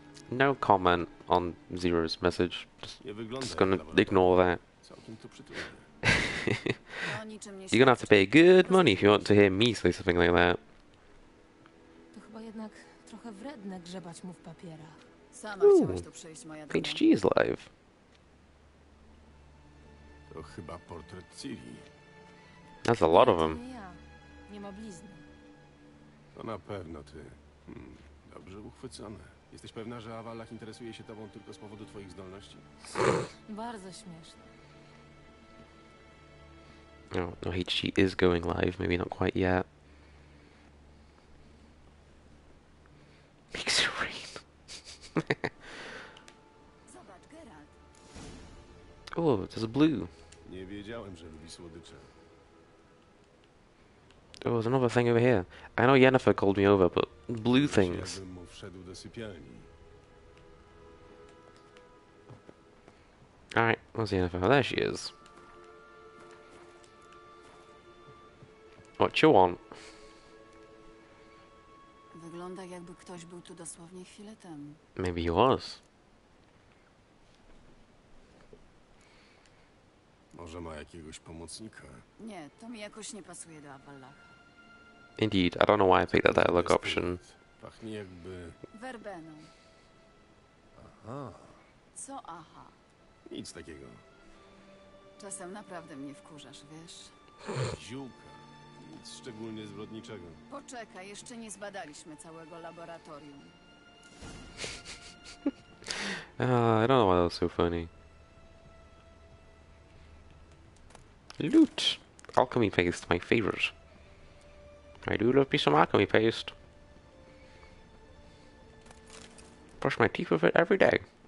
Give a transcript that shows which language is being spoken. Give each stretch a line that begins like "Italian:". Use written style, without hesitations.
English: No comment on Zero's message. Just gonna ignore that. You're gonna have to pay good money if you want to hear me say something like that.
Polish: Jednak trochę wredne grzebać mu w papierach. Sama chciałaś tu przejść, moja droga.
English: HG is live.
Polish: To chyba portret Ciri.
English: That's a lot of them.
Polish: Nie ja. Nie ma blizny. To na pewno ty. Dobrze uchwycone. Jesteś pewna, że Avalach interesuje się tobą tylko z powodu twoich zdolności? Bardzo śmieszne.
English: No, HG is going live. Maybe not quite yet. Makes it rain.
Polish: Zobacz, Geralt.
English: Oh, there's a blue.
Polish: Nie wiedziałem, że lubi słodycze.
English: Oh, there's another thing over here. I know Yennefer called me over, but blue things.
Polish: Ja bym mu wszedł do sypialni.
English: Alright, where's Yennefer? Oh, there she is. What you want?
Polish: Wygląda, jakby ktoś był tu dosłownie chwilę temu.
English: Maybe he was.
Polish: Może ma jakiegoś pomocnika? Nie, to mi jakoś nie pasuje do Avalacha.
English: Indeed, I don't know why I picked that dialogue option.
Polish: Pachnie jakby... werbeną. Aha. Co aha? Nic takiego. Czasem naprawdę mnie wkurzasz, wiesz? Ziółka. Nic szczególnie zbrodniczego. Poczekaj, jeszcze nie zbadaliśmy całego laboratorium.
English: I don't know why that was so funny. Loot! Alchemy paste, my favorite. I do love me some alchemy paste. Brush my teeth with it every day.